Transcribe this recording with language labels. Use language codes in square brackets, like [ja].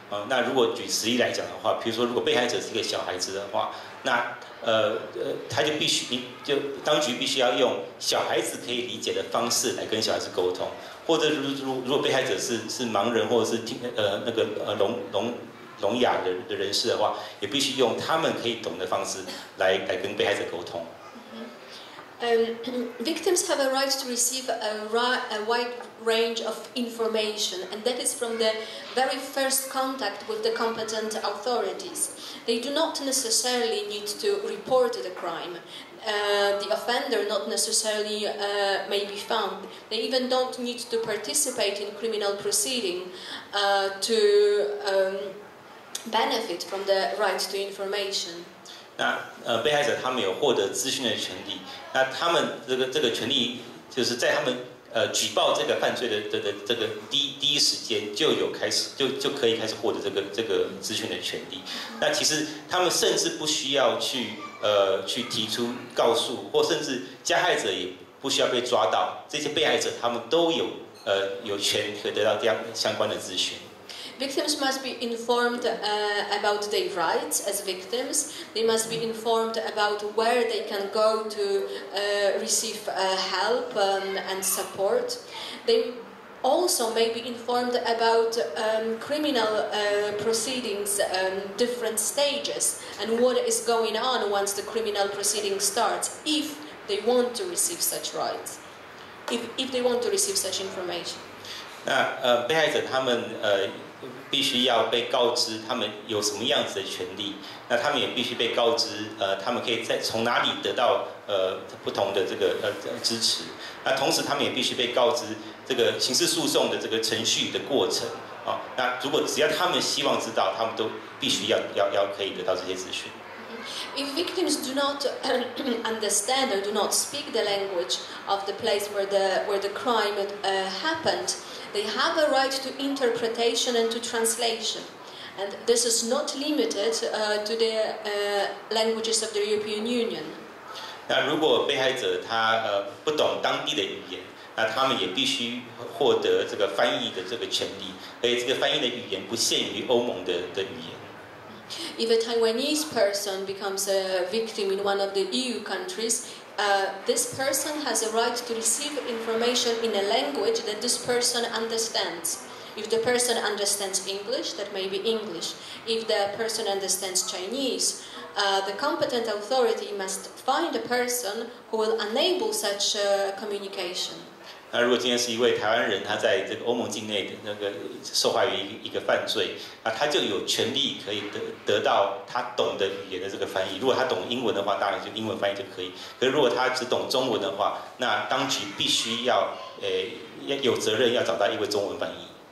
[zh] 那如果举实例来讲的话，比如说如果被害者是一个小孩子的话，那他就必须就当局必须要用小孩子可以理解的方式来跟小孩子沟通，或者如果被害者是盲人或者是聋哑的人士的话，也必须用他们可以懂的方式来跟被害者沟通。 [en] Victims have a right to receive a wide range of information, and that is from the very first contact with the competent authorities. They do not necessarily need to report the crime. The offender not necessarily may be found. They even don't need to participate in criminal proceeding to benefit from the right to information. [zh] 那被害者他们有获得资讯的权利，那他们这个权利就是在他们举报这个犯罪的这个第一时间就有开始就可以开始获得这个资讯的权利。那其实他们甚至不需要去提出告诉，或甚至加害者也不需要被抓到，这些被害者他们都有权可以得到相关的资讯。 [en] Victims must be informed about their rights as victims. They must be informed about where they can go to receive help and support. They also may be informed about criminal proceedings, different stages, and what is going on once the criminal proceeding starts, if they want to receive such information. [zh] 那被害者他们必须要被告知他们有什么样子的权利，那他们也必须被告知他们可以在从哪里得到不同的这个支持。那同时他们也必须被告知这个刑事诉讼的这个程序的过程啊。那如果只要他们希望知道，他们都必须要可以得到这些资讯。 [en] If victims do not understand or do not speak the language of the place where the crime happened, they have a right to interpretation and to translation. And this is not limited to the languages of the European Union. [zh] 那如果被害者他不懂当地的语言，那他们也必须获得这个翻译的这个权利，而且这个翻译的语言不限于欧盟的语言。 [en] If a Taiwanese person becomes a victim in one of the EU countries, this person has a right to receive information in a language that this person understands. If the person understands English, that may be English. If the person understands Chinese, the competent authority must find a person who will enable such communication. [zh] 那如果今天是一位台湾人，他在这个欧盟境内的那个受害于一个犯罪，那他就有权利可以得到他懂的语言的这个翻译。如果他懂英文的话，当然就英文翻译就可以。可是如果他只懂中文的话，那当局必须要有责任要找到一位中文翻译。